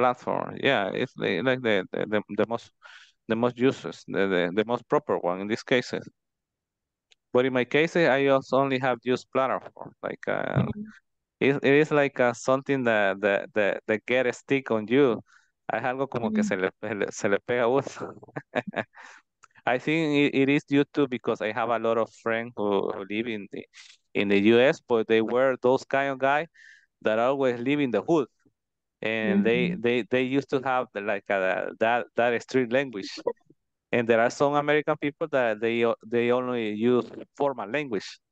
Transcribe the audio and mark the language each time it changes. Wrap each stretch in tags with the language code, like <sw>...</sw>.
<en>Platform, yeah, it's like the most most proper one in these cases. But in my case, I also only have used platform. Like it is like something that get a stick on you.</en> <es>Es algo como que se le pega a uno.</es> <en>I think it is due to because I have a lot of friends who live in the US, but they were those kind of guys that always live in the hood. And they used to have like that street language. And there are some American people that they only use formal language.</en>